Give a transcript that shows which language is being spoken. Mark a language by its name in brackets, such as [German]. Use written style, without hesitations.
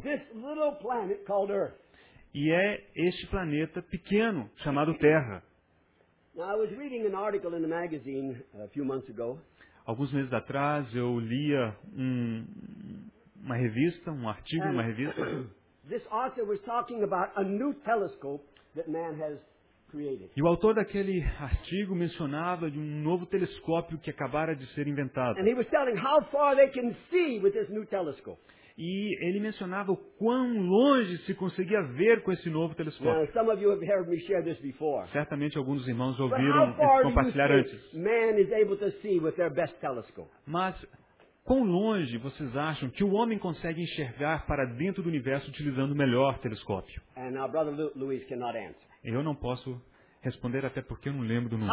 [English] This little planet called Earth. [Portuguese] E é este planeta pequeno chamado Terra. [English] Now, I was reading an article in a magazine a few months ago. [Portuguese] Alguns meses atrás eu lia uma revista, um artigo numa revista. [English] This author was talking about a new telescope that man has created. [Portuguese] E o autor daquele artigo mencionava de um novo telescópio que acabara de ser inventado. [English] And he was telling how far they can see with this new telescope. [Portuguese] E ele mencionava o quão longe se conseguia ver com esse novo telescópio. [English] Now, some of you have heard me share this before. [Portuguese] Certamente alguns irmãos ouviram esse compartilhar antes. [English] Man is able to see with their best telescope. [Portuguese] Mas quão longe vocês acham que o homem consegue enxergar para dentro do universo utilizando o melhor telescópio? [English] And our brother Luis cannot answer. [Portuguese] Eu não posso responder até porque eu não lembro do número.